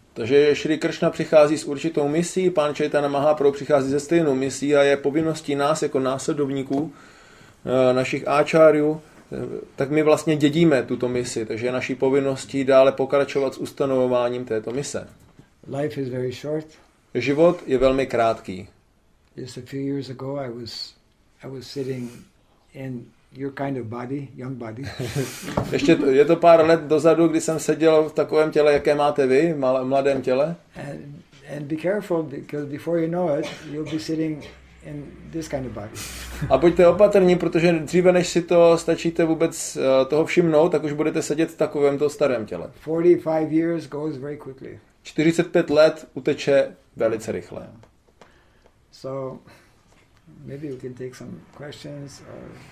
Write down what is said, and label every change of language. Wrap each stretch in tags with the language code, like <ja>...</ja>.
<cs>Takže Sri Krishna přichází s určitou misí, pan Chaitanya Mahaprabhu přichází se stejnou misí a je povinností nás jako následovníků našich Acharyů, tak my vlastně dědíme tuto misi, takže je naší povinností dále pokračovat s ustanovováním této mise.</cs> <en>Life is very short.</en> <cs>Život je velmi krátký.</cs> <en>Just a few years ago I was sitting in your kind of body, young body.</en> <cs>Ještě je to pár let dozadu, kdy jsem seděl v takovém těle, jaké máte vy, v mladém těle.</cs> <en>And be careful, because before you know it, you'll be sitting in this kind of body.</en> <cs>A buďte opatrní, protože dříve než si to stačíte vůbec toho všimnout, tak už budete sedět v takovém to starém těle.</cs> <en>45 years goes very quickly.</en> <cs>45 let uteče velice rychle.</cs> <en>So maybe we can take some questions or</en>